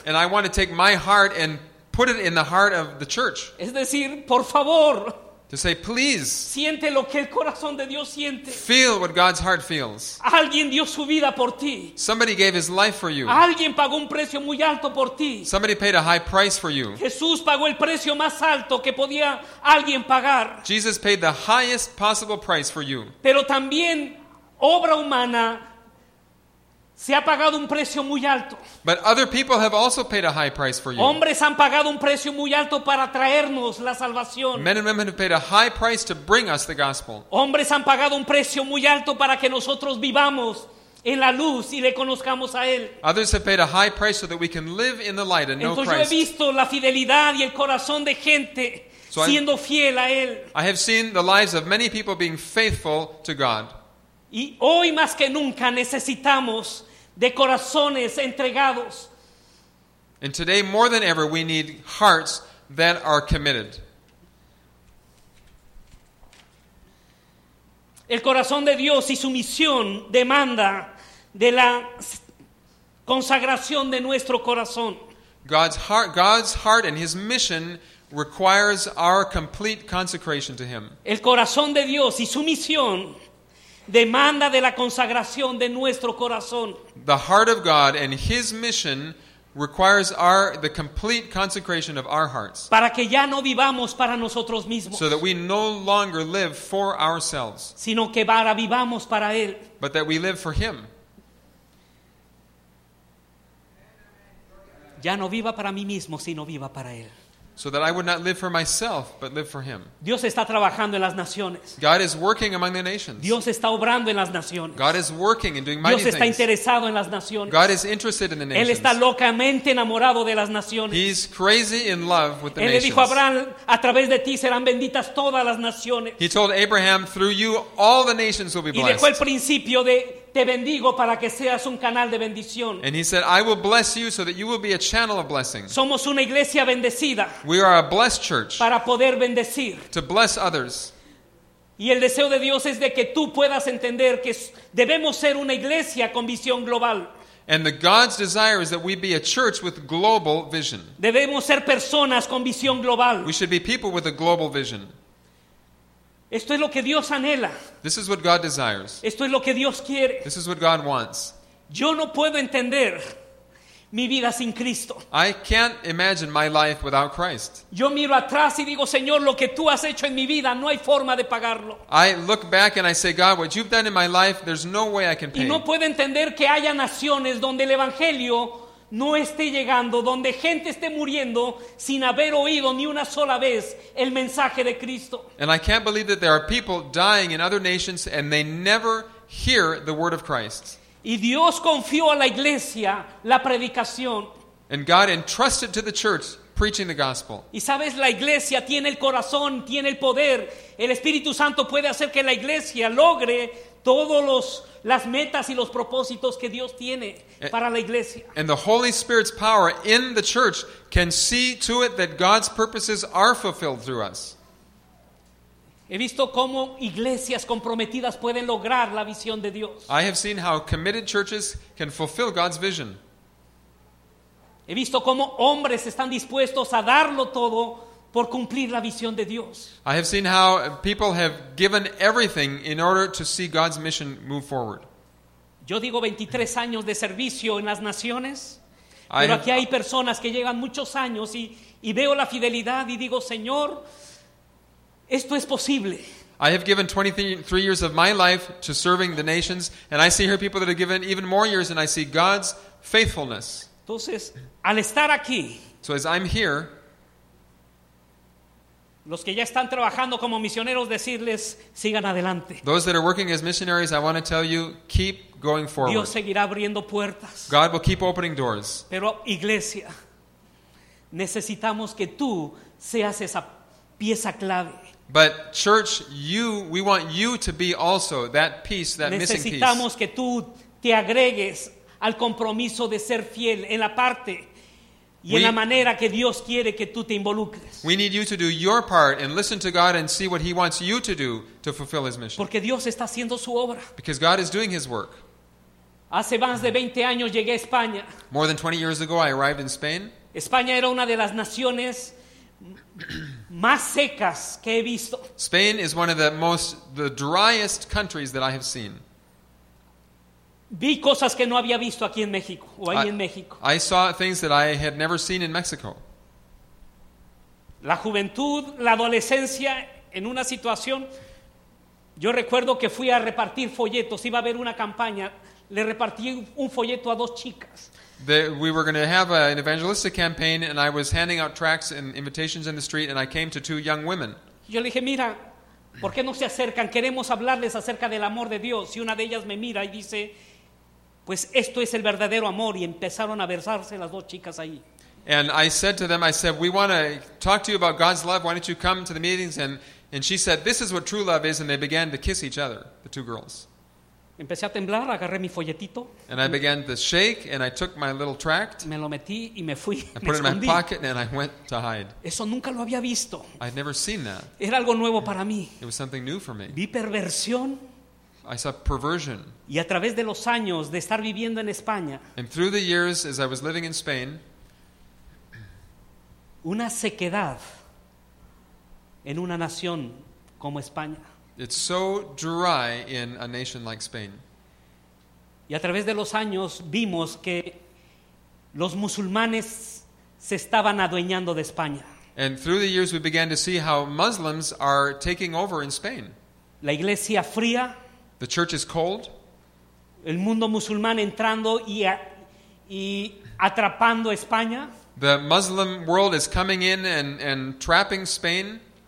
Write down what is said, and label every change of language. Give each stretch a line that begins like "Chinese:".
English: And I want to take my heart and put it in the heart of the church.
Spanish: Es decir, por favor.
English: To say, please.
Spanish: Siente lo que el corazón de Dios siente.
English: Feel what God's heart feels.
Spanish: Alguien dio su vida por ti.
English: Somebody gave his life for you.
Spanish: Alguien pagó un precio muy alto por ti.
English: Somebody paid a high price for you.
Spanish: Jesús pagó el precio más alto que podía alguien pagar.
English: Jesus paid the highest possible price for you.
Spanish: Pero también obra humana se ha pagado un precio muy alto.
English: But other people have also paid a high price for you.
Spanish: Hombres han pagado un precio muy alto para traernos la salvación.
English: Men and women have paid a high price to bring us the gospel.
Spanish: Hombres han pagado un precio muy alto para que nosotros vivamos en la luz y le conozcamos a él.
English: Others have paid a high price so that we can live in the light and
Spanish: entonces
English: know Christ.
Spanish: Entonces yo he visto la fidelidad y el corazón de gente
English: So
Spanish: siendo fiel a él.
English: I have seen the lives of many people being faithful to God.
Spanish: Y hoy más que nunca necesitamos de corazones entregados.
English: And today more than ever we need hearts that are committed.
Spanish: El corazón de Dios y su misión demanda de la consagración de nuestro corazón.
English: God's heart and his mission requires our complete consecration to him.
Spanish: El corazón de Dios y su misión demanda de la consagración de nuestro corazón.
English: The heart of God and his mission requires the complete consecration of our hearts.
Spanish: Para que ya no vivamos para nosotros mismos.
English: So that we no longer live for ourselves.
Spanish: Sino que para vivamos para él.
English: But that we live for him.
Spanish: Ya no viva para mí mismo, sino viva para él.
English: So that I would not live for myself, but live for him.
Spanish: Dios está trabajando en las naciones.
English: God is working among the nations.
Spanish: Dios está obrando en las naciones.
English: God is working and doing mighty things.
Spanish: Dios está interesado en las naciones.
English: God is interested in the nations.
Spanish: Él está locamente enamorado de las naciones.
English: He's crazy in love with the
Spanish: Él
English: nations.
Spanish: Él dijo a Abraham, a través de ti serán benditas todas las naciones.
English: He told Abraham, through you all the nations will be blessed.
Spanish: Y dejó el principio de te bendigo para que seas un canal de bendición.
English: And he said, I will bless you so that you will be a channel of blessing.
Spanish: Somos una iglesia bendecida.
English: We are a blessed church.
Spanish: Para poder bendecir.
English: To bless others.
Spanish: Y el deseo de Dios es de que tú puedas entender que debemos ser una iglesia con visión global.
English: And the God's desire is that we be a church with global vision.
Spanish: Debemos ser personas con visión global.
English: We should be people with a global vision.
Spanish: Esto es lo que Dios anhela.
English: This is what God desires.
Spanish: Esto es lo que Dios quiere.
English: This is what God wants.
Spanish: Yo no puedo entender mi vida sin Cristo.
English: I can't imagine my life without Christ.
Spanish: Yo miro atrás y digo, Señor, lo que tú has hecho en mi vida, no hay forma de pagarlo.
English: I look back and I say, God, what you've done in my life, there's no way I can pay.
Spanish: Y no puedo entender que haya naciones donde el evangelio no esté llegando, donde gente esté muriendo sin haber oído ni una sola vez el mensaje de Cristo.
English: And I can't believe that there are people dying in other nations and they never hear the word of Christ.
Spanish: Y Dios confió a la iglesia la predicación.
English: And God entrusted to the church preaching the gospel.
Spanish: Y sabes, la iglesia tiene el corazón, tiene el poder. El Espíritu Santo puede hacer que la iglesia logre todos las metas y los propósitos que Dios tiene para la iglesia.
English: And the Holy Spirit's power in the church can see to it that God's purposes are fulfilled through us.
Spanish: He visto cómo iglesias comprometidas pueden lograr la visión de Dios.
English: I have seen how committed churches can fulfill God's vision.
Spanish: He visto cómo hombres están dispuestos a darlo todo por cumplir la visión de Dios.
English: I have seen how people have given everything in order to see God's mission move forward.
Spanish: Yo digo 23 años de servicio en las naciones, pero aquí hay personas que llevan muchos años y veo la fidelidad y digo, Señor, esto es posible.
English: I have given 23 years of my life to serving the nations, and I see here people that have given even more years, and I see God's faithfulness.
Spanish: Entonces, al estar aquí,
English: so as I'm here,
Spanish: los que ya están trabajando como misioneros, decirles, sigan adelante.
English: Those that are working as missionaries, I want to tell you, keep going forward.
Spanish: Dios seguirá abriendo puertas.
English: God will keep opening doors.
Spanish: Pero iglesia, necesitamos que tú seas esa pieza clave.
English: But church, we want you to be also that piece, that missing piece.
Spanish: Necesitamos que tú te agregues al compromiso de ser fiel en la parte y en la manera que Dios quiere que tú te involucres.
English: We need you to do your part and listen to God and see what he wants you to do to fulfill his mission.
Spanish: Porque Dios está haciendo su obra.
English: Because God is doing his work.
Spanish: Hace más de 20 años llegué a España.
English: More than 20 years ago I arrived in Spain.
Spanish: España era una de las naciones más secas que he visto.
English: Spain is one of the driest countries that I have seen.
Spanish: Vi cosas que no había visto aquí en México o ahí en México.
English: I saw things that I had never seen in Mexico.
Spanish: La juventud, la adolescencia, en una situación, yo recuerdo que fui a repartir folletos, iba a haber una campaña, le repartí un folleto a dos chicas.
English: We were going to have an evangelistic campaign and I was handing out tracts and invitations in the street and I came to two young women.
Spanish: Yo le dije, mira, ¿por qué no se acercan? Queremos hablarles acerca del amor de Dios. Y una de ellas me mira y dice, pues esto es el verdadero amor. Y empezaron a besarse las dos chicas ahí.
English: And I said to them, I said, we want to talk to you about God's love. Why don't you come to the meetings? And she said, this is what true love is. And they began to kiss each other, the two girls.
Spanish: Empecé a temblar, agarré mi folletito.
English: And I began to shake, and I took my little tract.
Spanish: Me lo metí y me fui.
English: I put it in my pocket, and I went to hide.
Spanish: Eso nunca lo había visto.
English: I'd never seen that.
Spanish: Era algo nuevo para mí.
English: It was something new for me.
Spanish: Vi perversión.
English: I saw perversion.
Spanish: Y a través de los años de estar viviendo en España.
English: And through the years, as I was living in Spain.
Spanish: Una sequedad en una nación como España.
English: It's so dry in a nation like Spain.
Spanish: Y a través de los años vimos que los musulmanes se estaban adueñando de España.
English: And through the years we began to see how Muslims are taking over in Spain.
Spanish: La iglesia fría.
English: The church is cold.
Spanish: El mundo musulmán entrando y atrapando España.
English: The Muslim world is coming in and trapping Spain.